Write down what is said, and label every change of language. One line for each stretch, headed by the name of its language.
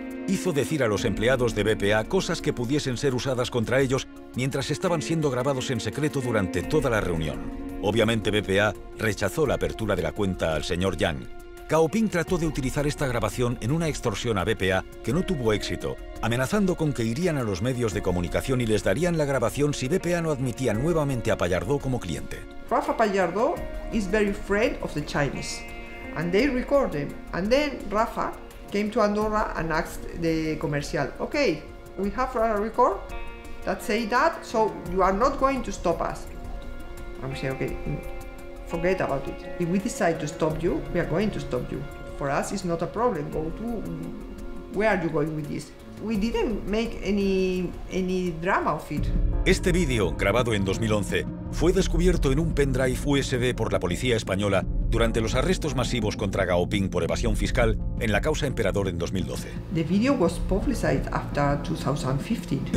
Spanish: Hizo decir a los empleados de BPA cosas que pudiesen ser usadas contra ellos mientras estaban siendo grabados en secreto durante toda la reunión. Obviamente BPA rechazó la apertura de la cuenta al señor Yang, Gaoping trató de utilizar esta grabación en una extorsión a BPA que no tuvo éxito, amenazando con que irían a los medios de comunicación y les darían la grabación si BPA no admitía nuevamente a Pallardó como cliente.
English: Rafa Pallardó is very afraid of the Chinese, and they recorded him. And then Rafa came to Andorra and asked the commercial, okay, we have a record that say that, so you are not going to stop us. I'm saying, okay, forget about it. If we decide to stop you, we are going to stop you. For us, it's not a problem. Go to, where are you going with this? We didn't make any drama of it.
Spanish: Este video, grabado en 2011, fue descubierto en un pendrive USB por la policía española durante los arrestos masivos contra Gaoping por evasión fiscal en la causa Emperador en 2012.
English: The video was publicized after 2015.